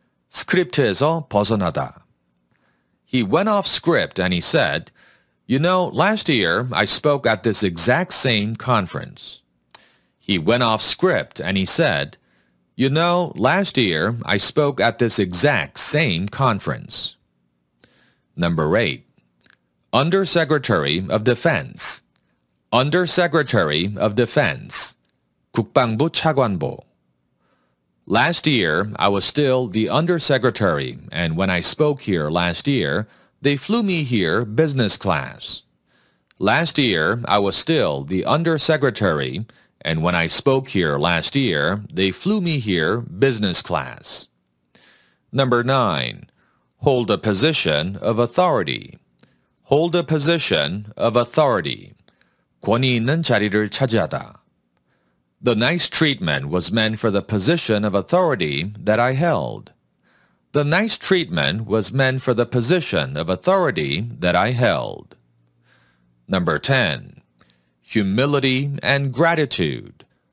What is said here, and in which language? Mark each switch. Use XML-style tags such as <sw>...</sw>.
<ko>스크립트에서 벗어나다.</ko> <en>He went off script and he said, "You know, last year I spoke at this exact same conference." He went off script and he said, "You know, last year I spoke at this exact same conference." Number 8. Undersecretary of Defense. Undersecretary of Defense.</en> <ko>국방부 차관보.</ko> <en>Last year I was still the undersecretary and when I spoke here last year, they flew me here business class. Last year I was still the undersecretary and when I spoke here last year, they flew me here business class. Number 9. Hold a position of authority. Hold a position of authority.</en> <ko>권위 있는 자리를 차지하다.</ko> <en>The nice treatment was meant for the position of authority that I held. The nice treatment was meant for the position of authority that I held. Number 10. Humility and gratitude.</en>